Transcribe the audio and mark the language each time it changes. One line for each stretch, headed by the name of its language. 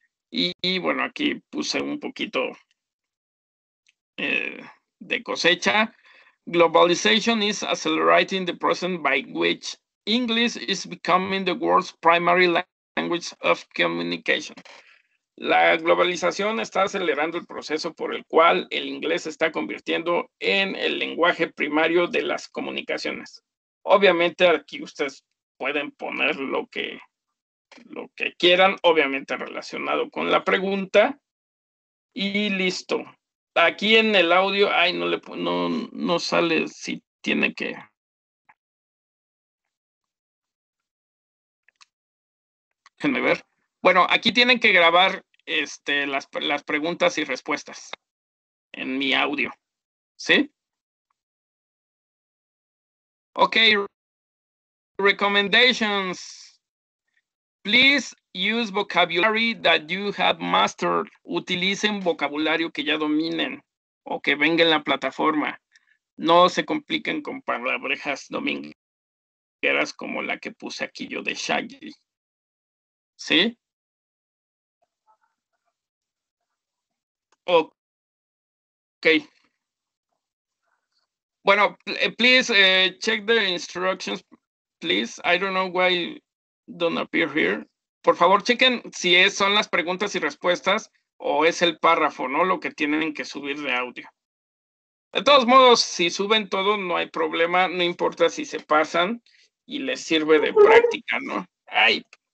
Spanish: Y bueno, aquí puse un poquito de cosecha.
English: Globalization is accelerating the process by which English is becoming the world's primary language of communication.
Spanish: La globalización está acelerando el proceso por el cual el inglés se está convirtiendo en el lenguaje primario de las comunicaciones. Obviamente aquí ustedes pueden poner lo que quieran, obviamente relacionado con la pregunta. Y listo. Aquí en el audio, ay, no sale si tiene que. Déjenme ver. Bueno, aquí tienen que grabar las preguntas y respuestas en mi audio. ¿Sí? Ok,
English: recommendations. Please use vocabulary that you have mastered.
Spanish: Utilicen vocabulario que ya dominen o que venga en la plataforma. No se compliquen con palabrejas domingueras como la que puse aquí yo de Shaggy. ¿Sí? Ok. Bueno,
English: please check the instructions, please. I don't know why don't appear here.
Spanish: Por favor, chequen si son las preguntas y respuestas o es el párrafo, ¿no? Lo que tienen que subir de audio. De todos modos, si suben todo, no hay problema. No importa si se pasan y les sirve de práctica, ¿no? Ay.